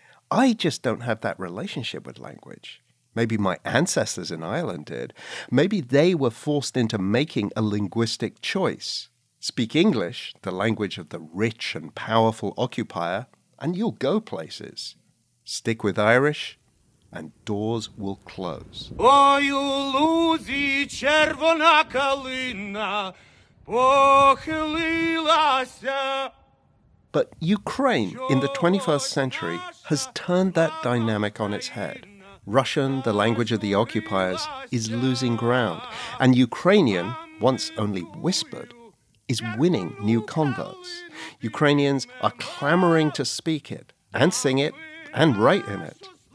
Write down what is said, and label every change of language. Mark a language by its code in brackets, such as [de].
[en] I just don't have that relationship with language. Maybe my ancestors in Ireland did. Maybe they were forced into making a linguistic choice. Speak English, the language of the rich and powerful occupier, and you'll go places. Stick with Irish, and doors will close. [uk] Ой, у лузі червона калина похилилася. [en] But Ukraine in the 21st century has turned that dynamic on its head. Russian, the language of the occupiers, is losing ground. And Ukrainian, once only whispered, is winning new converts. Ukrainians are clamoring to speak it and sing it and write in it.